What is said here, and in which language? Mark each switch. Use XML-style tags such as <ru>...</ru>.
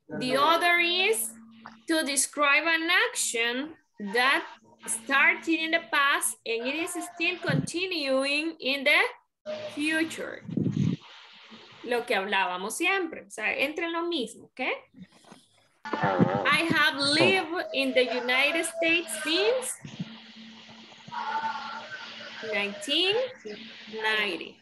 <en>The other is to describe an action that started in the past and it is still continuing in the future.</en> <es>Lo que hablábamos siempre, o sea, entre lo mismo, ¿ok?</es> <en>I have lived in the United States since 1990.</en>